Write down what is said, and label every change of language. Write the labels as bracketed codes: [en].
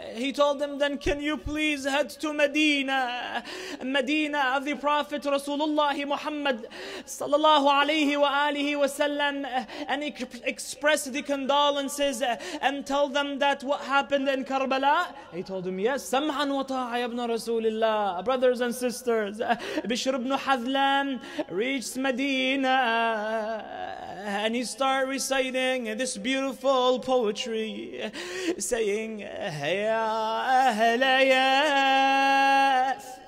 [en] He told him, Then can you please head to Medina, Medina of the Prophet Rasulullah Muhammad sallallahu alayhi wa alihi wa sallam, and express the condolences and tell them that what happened in Karbala? He told him, Yes, [ar] سمعاً وطاعة يا ابن رسول الله. [en] Brothers and sisters, Bishr ibn Hazlam reached Medina and he started reciting this beautiful poetry, saying, Ya Ahl Yathrib